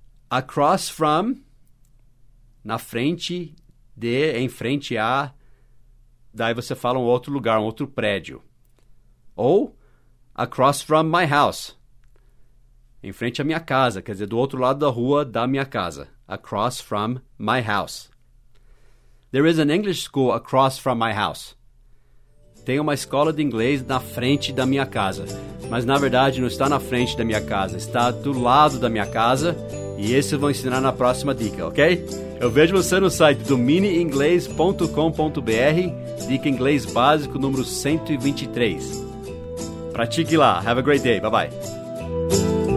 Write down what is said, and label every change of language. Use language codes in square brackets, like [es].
[en] Across from... [pt] Na frente de... Em frente a... Daí você fala um outro lugar, um outro prédio. Ou... [en] Across from my house. [pt] Em frente à minha casa. Quer dizer, do outro lado da rua da minha casa. [en] Across from my house. There is an English school across from my house. [pt] Tem uma escola de inglês na frente da minha casa. Mas, na verdade, não está na frente da minha casa. Está do lado da minha casa. E esse eu vou ensinar na próxima dica, ok? Eu vejo você no site domineinglês.com.br. Dica inglês básico número 123. Pratique lá. [en] Have a great day. Bye-bye.